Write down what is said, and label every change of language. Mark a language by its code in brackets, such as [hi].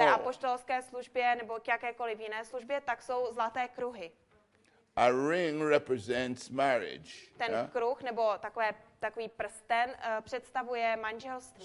[cs] té apoštolské službě nebo k jakékoliv jiné službě, tak jsou zlaté kruhy. [en] A ring represents marriage. Ten yeah? [cs] Kruh nebo takový prsten představuje manželství.